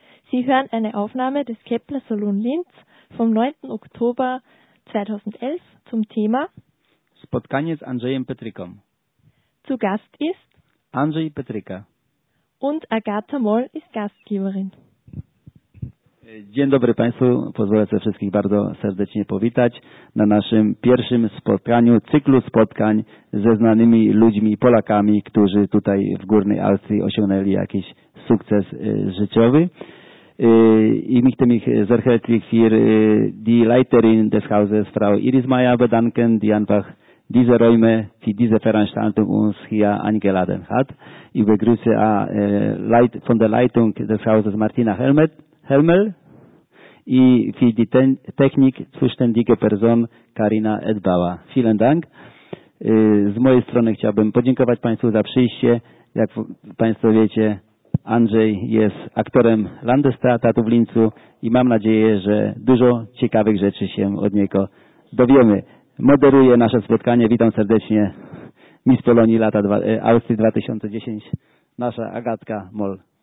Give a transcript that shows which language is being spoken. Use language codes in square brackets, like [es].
[de] Sie hören eine Aufnahme des Kepler Salon Linz vom 9. Oktober 2011 zum Thema [pl] Spotkanie z Andrzejem Petryką. [de] Zu Gast ist Andrzej Petryka. Und Agata Moll ist Gastgeberin. [pl] Dzień dobry Państwu. Pozwolę sobie wszystkich bardzo serdecznie powitać na naszym pierwszym spotkaniu, cyklu spotkań ze znanymi ludźmi Polakami, którzy tutaj w Górnej Austrii osiągnęli jakiś sukces życiowy. [de] Ich möchte mich sehr herzlich für die Leiterin des Hauses, Frau Iris Meyer, bedanken, die einfach diese Räume für diese Veranstaltung uns hier eingeladen hat. Ich begrüße von der Leitung des Hauses Martina Helmel und für die Technik zuständige Person Karina Edbauer. Vielen Dank. [pl] Z mojej strony chciałbym podziękować Państwu za przyjście. Jak Państwo wiecie, Andrzej jest aktorem Landestheatru w Lincu i mam nadzieję, że dużo ciekawych rzeczy się od niego dowiemy. Moderuję nasze spotkanie. Witam serdecznie Miss Polonii lata Austrii 2010, nasza Agatka Moll.